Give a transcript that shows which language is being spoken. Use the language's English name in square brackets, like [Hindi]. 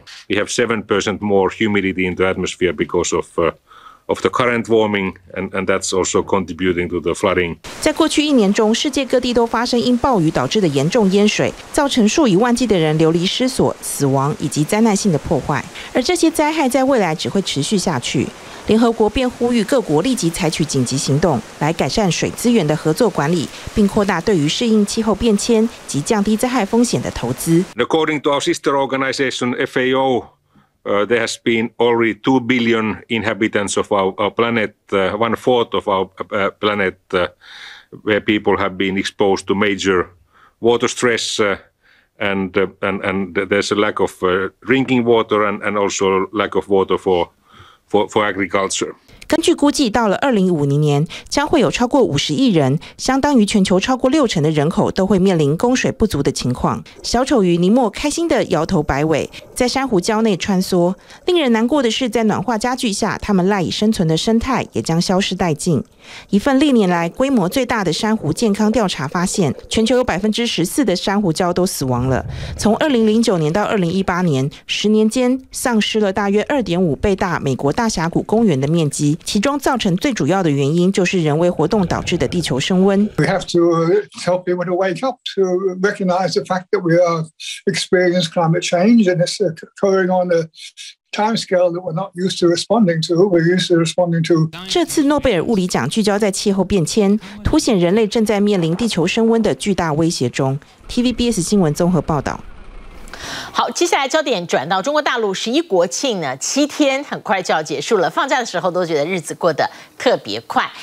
[English] We have 7% more humidity in the atmosphere because of the current warming, and that's also contributing to the flooding. [Chinese] 在过去一年中，世界各地都发生因暴雨导致的严重淹水，造成数以万计的人流离失所、死亡以及灾难性的破坏。而这些灾害在未来只会持续下去。联合国便呼吁各国立即采取紧急行动，来改善水资源的合作管理，并扩大对于适应气候变迁及降低灾害风险的投资。 [English] According to our sister organization FAO, there has been already 2 billion inhabitants of our planet, one fourth of our planet, where people have been exposed to major water stress, and there's a lack of drinking water and also lack of water for agriculture. [Chinese] 根据估计，到了2050年，将会有超过50亿人，相当于全球超过60%的人口都会面临供水不足的情况。小丑鱼尼莫开心地摇头摆尾，在珊瑚礁内穿梭。令人难过的是，在暖化加剧下，它们赖以生存的生态也将消失殆尽。一份历年来规模最大的珊瑚健康调查发现，全球有14%的珊瑚礁都死亡了。从2009年到2018年，10年间丧失了大约2.5倍大美国大峡谷公园的面积。其中造成最主要的原因就是人为活动导致的地球升温。 [English] We have to tell people to wake up to recognize the fact that we are experiencing climate change and it's occurring on the timescale that we're not used to responding to. We're used to responding to. [Chinese] 这次诺贝尔物理奖聚焦在气候变迁，凸显人类正在面临地球升温的巨大威胁中。 TVBS 新闻综合报道。好，接下来焦点转到中国大陆，11国庆呢，7天很快就要结束了。放假的时候都觉得日子过得特别快。